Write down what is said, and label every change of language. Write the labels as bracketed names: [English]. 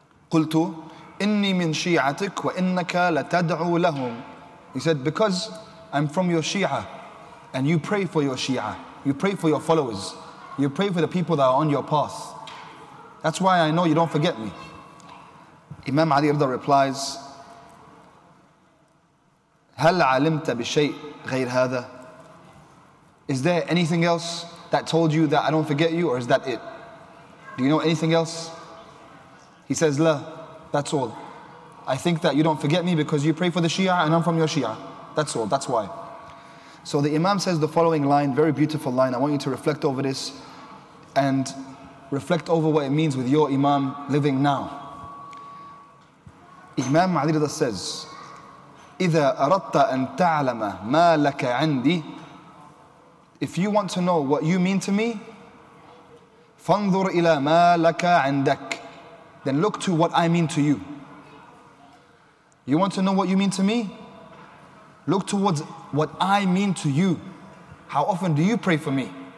[Arabic] قُلْتُ إِنِّي مِن شِيعَتِكَ وَإِنَّكَ لَتَدْعُو لَهُمْ. [English] He said, because I'm from your Shia and you pray for your Shia. You pray for your followers. You pray for the people that are on your path. That's why I know you don't forget me. Imam Ali Rida replies, [Arabic] هَلْ عَلِمْتَ بِشَيْءٍ غَيْرْ هَذَا. [English] Is there anything else that told you that I don't forget you, or is that it? Do you know anything else? He says, لا, that's all. I think that you don't forget me because you pray for the Shia and I'm from your Shia. That's all, that's why. So the Imam says the following line, very beautiful line. I want you to reflect over this and reflect over what it means with your Imam living now. Imam Ali Rida says, [Arabic] إِذَا أَرَدْتَ أَن تَعْلَمَ مَا لَكَ عَنْدِي. [English] If you want to know what you mean to me, [Arabic] فَانْظُرْ إِلَى مَا لَكَ عَنْدَكَ. [English] Then look to what I mean to you. You want to know what you mean to me? Look towards what I mean to you. How often do you pray for me?